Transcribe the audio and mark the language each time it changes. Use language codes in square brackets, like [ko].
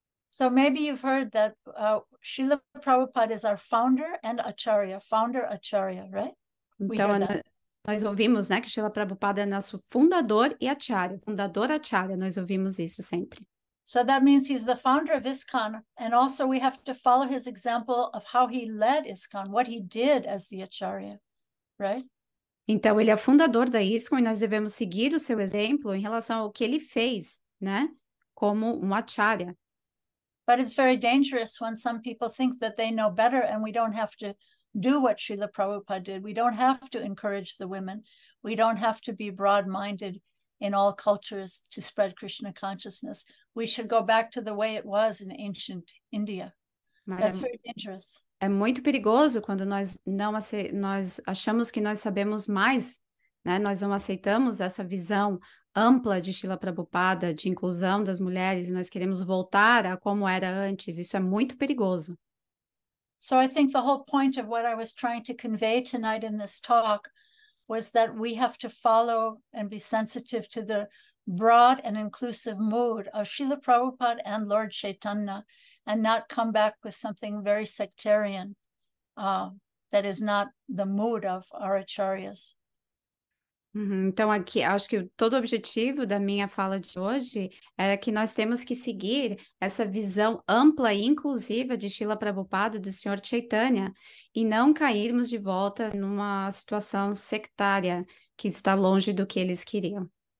[en] So maybe you've heard that Srila Prabhupada is our founder and acharya, right? [pt] Então, Nós ouvimos, né, que Srila Prabhupada é nosso fundador e acharya. Fundador acharya, nós ouvimos isso sempre. [en] So that means he's the founder of ISKCON, and also we have to follow his example of how he led ISKCON, what he did as the acharya, right? [pt] Então ele é fundador da ISKCON e nós devemos seguir o seu exemplo em relação ao que ele fez, né, como um acharya. [en] But it's very dangerous when some people think that they know better and we don't have to do what Srila Prabhupada did. We don't have to encourage the women. We don't have to be broad-minded in all cultures to spread Krishna consciousness. We should go back to the way it was in ancient India. That's very dangerous. [pt] É muito perigoso quando nós achamos que nós sabemos mais, né? Nós não aceitamos essa visão ampla de Srila Prabhupada, de inclusão das mulheres, e nós queremos voltar a como era antes. Isso é muito perigoso. [en] So I think the whole point of what I was trying to convey tonight in this talk was that we have to follow and be sensitive to the broad and inclusive mood of Srila Prabhupada and Lord Chaitanya and not come back with something very sectarian that is not the mood of our acharyas. [pt] Então, aqui, acho que todo o objetivo da minha fala de hoje é que nós temos que seguir essa visão ampla e inclusiva de Srila Prabhupada, do Sr. Chaitanya, e não cairmos de volta numa situação sectária que está longe do que eles queriam.